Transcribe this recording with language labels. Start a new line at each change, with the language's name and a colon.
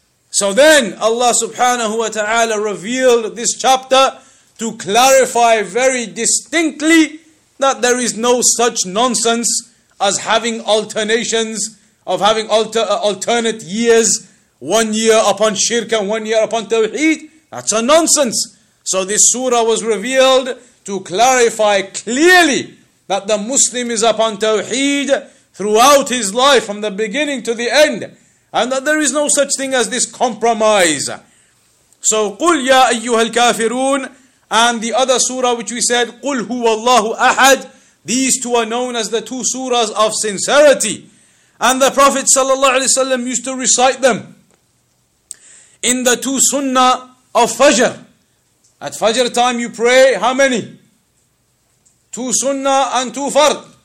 English: So then Allah subhanahu wa ta'ala revealed this chapter to clarify very distinctly that there is no such nonsense as having alternations, of having alternate years, 1 year upon shirk and 1 year upon tawheed. That's a nonsense. So this surah was revealed to clarify clearly that the Muslim is upon tawheed throughout his life from the beginning to the end. And that there is no such thing as this compromise.
Arabic: So, قُلْ يَا أَيُّهَا الْكَافِرُونَ.
English: And the other surah which we said,
Arabic: قُلْ هُوَ اللَّهُ أَحَدْ.
English: These two are known as the two surahs of sincerity. And the Prophet ﷺ used to recite them in the two sunnah of Fajr. At Fajr time you pray, how many? Two sunnah and two fard.